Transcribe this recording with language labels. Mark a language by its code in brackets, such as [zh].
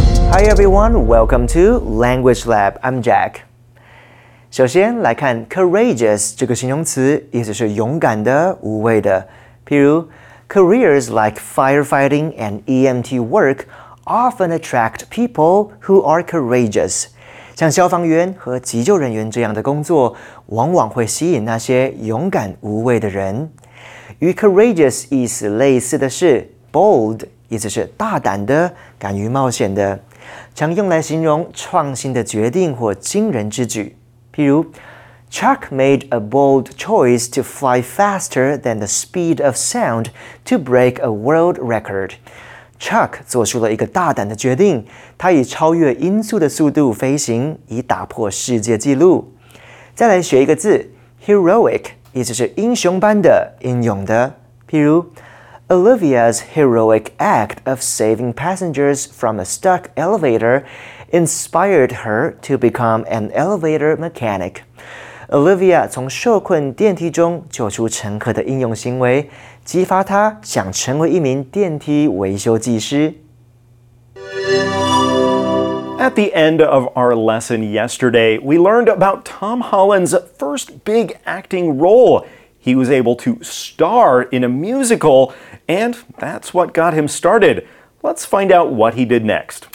[en] Hi everyone, welcome to Language Lab, I'm Jack. [zh] 首先来看 courageous 这个形容词，意思是勇敢的、无畏的。譬如 [en] careers like firefighting and EMT work often attract people who are courageous. [zh] 像消防员和急救人员这样的工作，往往会吸引那些勇敢无畏的人。与 courageous 意思类似的是 bold， 意思是大胆的、敢于冒险的，常用来形容创新的决定或惊人之举。譬如 [en] Chuck made a bold choice to fly faster than the speed of sound to break a world record. [zh] Chuck 做出了一个大胆的决定，他以超越音速的速度飞行，以打破世界纪录。再来学一个字 heroic， 意思是英雄般的、英勇的。譬如 [en] Olivia's heroic act of saving passengers from a stuck elevatorinspired her to become an elevator mechanic. [zh] Olivia 从受困电梯中救出乘客的英勇行为，激发她想成为一名电梯维修技师。 [en] At the end of our lesson yesterday, we learned about Tom Holland's first big acting role. He was able to star in a musical, and that's what got him started. Let's find out what he did next.